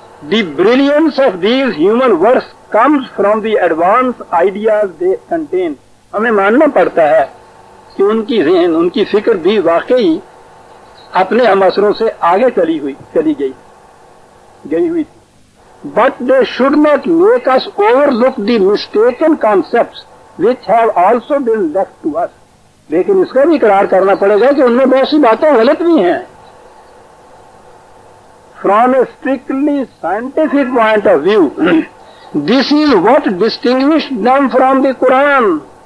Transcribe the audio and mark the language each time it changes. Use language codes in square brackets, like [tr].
[en] The brilliance of these human works comes from the advanced ideas they contain. [ur] Hame manna padta hai کہ ان کی ذہن ان کی فکر بھی واقعی اپنے ہم اثروں سے آگے چلی گئی تھی. [en] But they should not make us overlook the mistaken concepts which have also been left to us. [ur] لیکن اس کا بھی اقرار کرنا پڑے گا کہ ان میں بہت سی باتیں غلط بھی ہیں. [en] From a strictly scientific point of view this is what distinguish them from the قرآن.